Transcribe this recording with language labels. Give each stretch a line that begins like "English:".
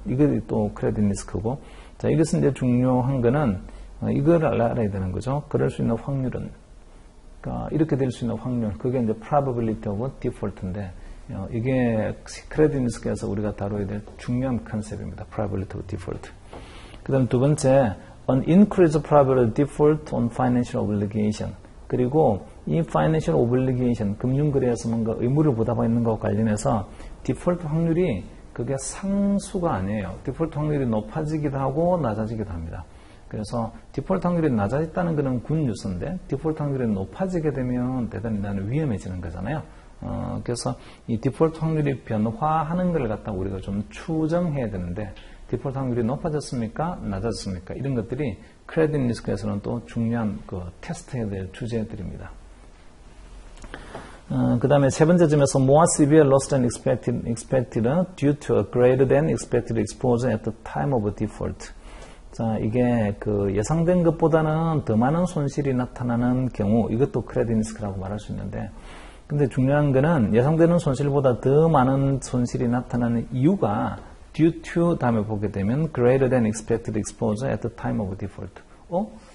Korean: 이게 또 credit risk고. 자, 이것은 이제 중요한 거는, 이걸 알아야 되는 거죠. 그럴 수 있는 확률은 그러니까 이렇게 될 수 있는 확률 그게 이제 probability of default인데 이게 credit risk에서 우리가 다뤄야 될 중요한 컨셉입니다.
English: probability of default.
Korean: 그 다음 두 번째
English: an increased probability of default on financial obligation.
Korean: 그리고 이 financial obligation 금융거래에서 뭔가 의무를 부담하고 있는 것과 관련해서 default 확률이 그게 상수가 아니에요. default 확률이 높아지기도 하고 낮아지기도 합니다. 그래서 디폴트 확률이 낮아졌다는 것은 굿뉴스인데 디폴트 확률이 높아지게 되면 대단히 나는 위험해지는 거잖아요. 그래서 이 디폴트 확률이 변화하는 걸 갖다 우리가 좀 추정해야 되는데 디폴트 확률이 높아졌습니까? 낮아졌습니까? 이런 것들이 크레딧 리스크에서는 또 중요한 그 테스트해야 될 주제들입니다. 그 다음에 세 번째 점에서
English: more severe loss than expected due to a greater than expected exposure at the time of default.
Korean: 자, 이게 그 예상된 것보다는 더 많은 손실이 나타나는 경우 이것도 크레딧 리스크라고 말할 수 있는데 근데 중요한 거는 예상되는 손실보다 더 많은 손실이 나타나는 이유가 due to 다음에 보게 되면
English: greater than expected exposure at the time of default.
Korean: 어?